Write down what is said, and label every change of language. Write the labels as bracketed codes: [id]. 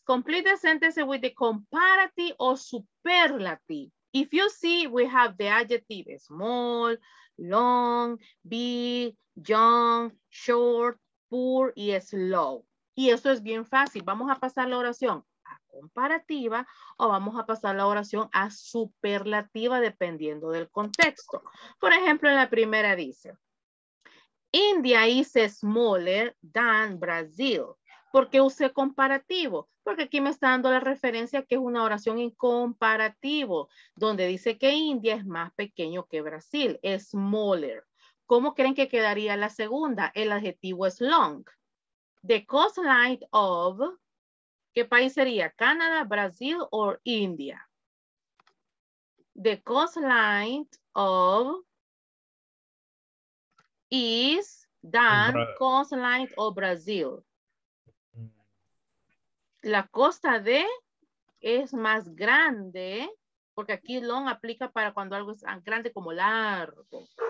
[en] Complete the sentence with the comparative or superlative. If you see, we have the adjective small, long, big, young, short, poor, y slow. [es] Y eso es bien fácil. Vamos a pasar la oración a comparativa o vamos a pasar la oración a superlativa dependiendo del contexto. Por ejemplo, en la primera dice, [en] India is smaller than Brazil. [es] ¿Por qué usé comparativo? Porque aquí me está dando la referencia que es una oración en comparativo, donde dice que India es más pequeño que Brasil, es smaller. ¿Cómo creen que quedaría la segunda? El adjetivo es long. [en] The coastline of, [es] ¿qué país sería? ¿Canadá, Brasil o India? [en] The coastline of is than coastline of Brazil. [es] La costa de es más grande, porque aquí long aplica para cuando algo es grande como largo.